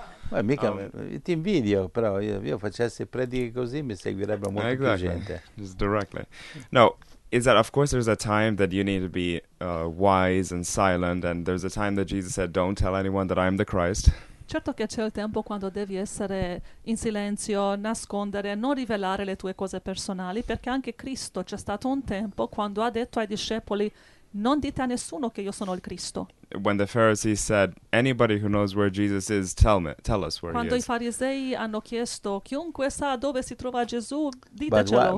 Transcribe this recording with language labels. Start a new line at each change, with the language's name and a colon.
Italian: Ma mica, ti invidio, però io facessi prediche così mi seguirebbe molto
English: exactly.
Italian: più gente.
English: Just directly. No, is that of course there's a time that you need to be wise and silent, and there's a time that Jesus said, don't tell anyone that I'm the Christ.
Italian: Certo che c'è il tempo quando devi essere in silenzio, nascondere, non rivelare le tue cose personali, perché anche Cristo c'è stato un tempo quando ha detto ai discepoli, non dite a nessuno che io sono il Cristo.
English: When the Pharisees said, anybody who knows where Jesus is, tell us where
Italian: Quando
English: he is.
Italian: Quando i farisei hanno chiesto, chiunque sa dove si trova Gesù, ditecelo.